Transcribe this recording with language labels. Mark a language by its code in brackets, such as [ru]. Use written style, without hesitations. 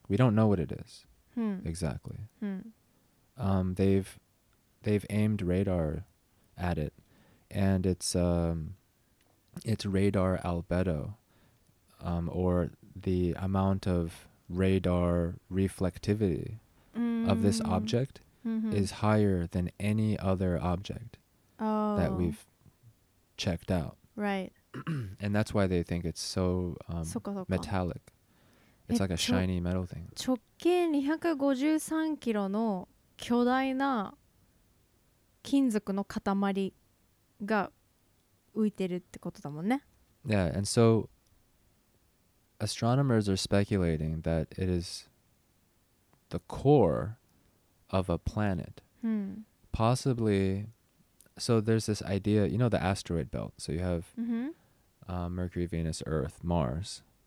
[en] We don't know what it is exactly. They've aimed radar at it, and it's radar albedo, or the amount of radar reflectivity of this object is higher than any other object that we've checked out. Right. And that's why they think it's so metallic. It's like a shiny metal thing. [ja] 直径253キロの巨大な金属の塊が浮いてるってことだもんね。 [en] Yeah, and soAstronomers are speculating that it is the core of a planet. Possibly, so there's this idea, you know, the asteroid belt. So you have Mercury, Venus, Earth, Mars.